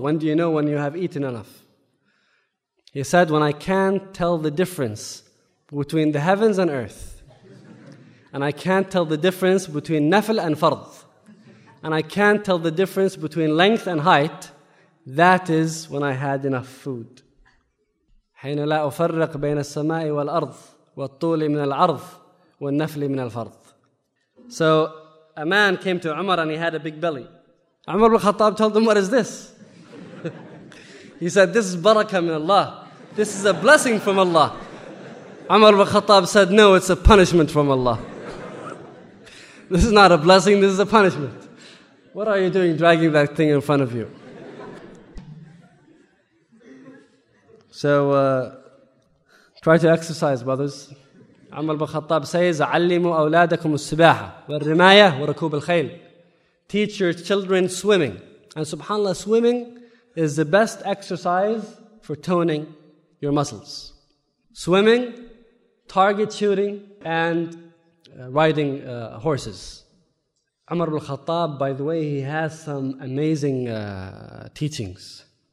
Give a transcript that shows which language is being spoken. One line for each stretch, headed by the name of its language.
English: When do you know when you have eaten enough? He said, when I can't tell the difference between the heavens and earth, and I can't tell the difference between nafil and fard, and I can't tell the difference between length and height, that is when I had enough food.
Arabic: حين لا أفرق بين السماء والأرض والطول من العرض والنفل من الفرض.
English: So a man came to Umar and he had a big belly. Umar ibn al-Khattab told him, what is this? He said, this is barakah min Allah. This is a blessing from Allah. Umar ibn al-Khattab said, no, it's a punishment from Allah. This is not a blessing, this is a punishment. What are you doing dragging that thing in front of you? So try to exercise, brothers. Umar ibn al-Khattab says,
Arabic: عَلِّمُوا أَوْلَادَكُمْ السِّبَاحَةِ وَالرِّمَايَةِ وَرَكُوبِ الْخَيْلِ.
English: Teach your children swimming. And subhanAllah, swimming is the best exercise for toning your muscles. Swimming, target shooting, and riding horses. Umar ibn al-Khattab, by the way, he has some amazing teachings.